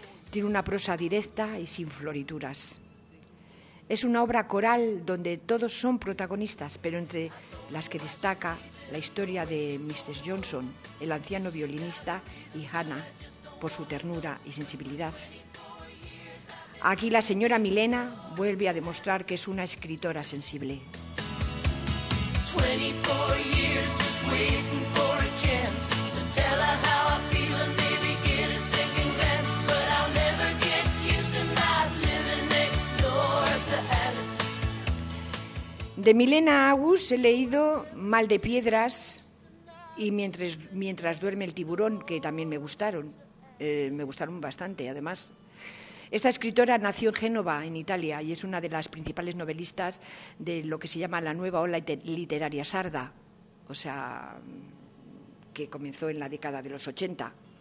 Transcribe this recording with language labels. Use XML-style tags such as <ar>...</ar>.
<es>Tiene una prosa directa y sin florituras. Es una obra coral donde todos son protagonistas, pero entre las que destaca la historia de Mr. Johnson, el anciano violinista, y Hannah, por su ternura y sensibilidad. Aquí la señora Milena vuelve a demostrar que es una escritora sensible.</es> <en>24 years just waiting for a chance to tell her how I feel and maybe get a second glance. But I'll never get used to not living next door to Alice.</en> <es>De Milena Agus he leído Mal de piedras y Mientras duerme el tiburón, que también me gustaron. Me gustaron bastante, además. Esta escritora nació en Génova, en Italia, y es una de las principales novelistas de lo que se llama la nueva ola literaria sarda, o sea, que comenzó en la década de los 80.</es>